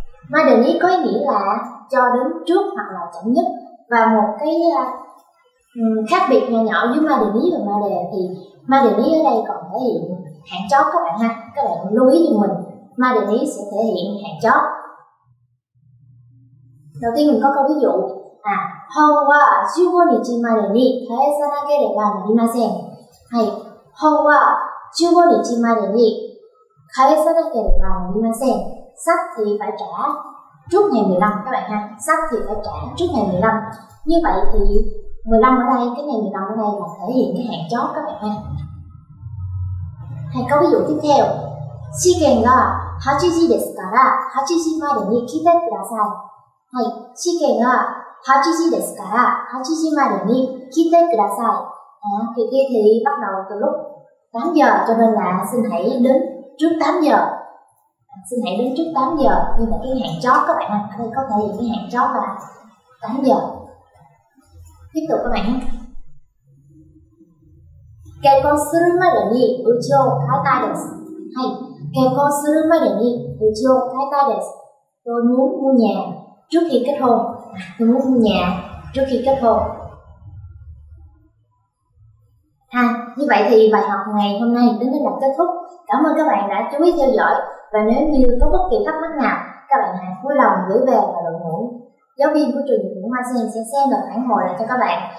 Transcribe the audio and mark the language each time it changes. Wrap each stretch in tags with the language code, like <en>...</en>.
<vi>Ma đề ni có ý nghĩa là cho đến trước hoặc là chậm nhất. Và một cái khác biệt nhỏ nhỏ giữa ma đề ni và ma đề thì ma đề ni ở đây còn thể hiện hạn chót các bạn ha. Các bạn lưu ý giùm mình, ma đề ni sẽ thể hiện hạn chót. Đầu tiên mình có câu ví dụ. Hôm qua</vi> <ja>15日 までに返さなければなりません。はい。本は15日までに返さなければなりません。</ja> <vi>Sách thì phải trả trước ngày 15 các bạn ha. Sách thì phải trả trước ngày 15. Như vậy thì 15 ở đây, cái ngày 15 ở đây là thể hiện cái hạn chót các bạn ha. Hay có ví dụ tiếp theo.</vi> <ja>試験が8時ですから8時までに来てください。はい。試験が</ja> <vi>8 giờ</vi> <ja>ですから8 giờ までに来てください.</ja> <vi>Thì bắt đầu từ lúc 8 giờ cho nên là xin hãy đến trước 8 giờ. Xin hãy đến trước 8 giờ. Nhưng mà cái hạn chót các bạn ạ, ở đây có thể hiện cái hạn chót là 8 giờ. Tiếp tục các bạn nhé.</vi> <ja>結婚するまでにうちを買いたいです.Hay 結婚するまでにうちを買いたいです.</ja> <vi>Tôi muốn mua nhà trước khi kết hôn. Tôi muốn mua nhà trước khi kết hôn. Như vậy thì bài học ngày hôm nay đến đây là kết thúc. Cảm ơn các bạn đã chú ý theo dõi. Và nếu như có bất kỳ thắc mắc nào, các bạn hãy vui lòng gửi về và đội ngũ giáo viên của trường Nhật ngữ Hoa Sen sẽ xem và phản hồi lại cho các bạn.</vi>